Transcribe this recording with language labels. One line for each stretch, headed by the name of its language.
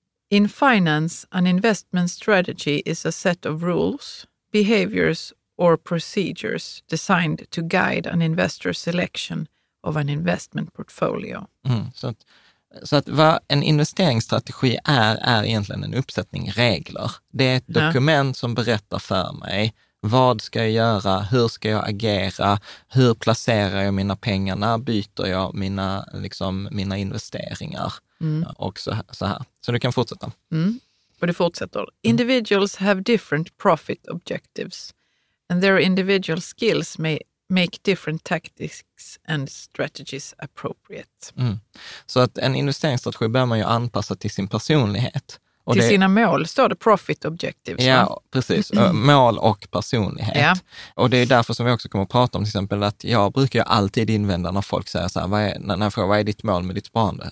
English: In finance, an investment strategy is a set of rules, behaviors or procedures designed to guide an investor's selection of an investment portfolio.
Swedish: Mm, så att vad en investeringsstrategi är egentligen en uppsättning regler. Det är ett dokument som berättar för mig vad ska jag göra, hur ska jag agera, hur placerar jag mina pengar, när byter jag mina, liksom, mina investeringar. Mm. Och så här. Så du kan fortsätta. Mm. Och du fortsätter.
English: Individuals have different profit objectives and their individual skills may make different tactics and strategies appropriate. Mm.
Swedish: Så att en investeringsstrategi bör man ju anpassa till sin personlighet. Och till sina mål står det
English: profit objectives.
Swedish: Ja, precis. Mål och personlighet. Ja. Och det är därför som vi också kommer att prata om till exempel att jag brukar ju alltid invända när folk säger så här, vad är ditt mål med ditt sparande?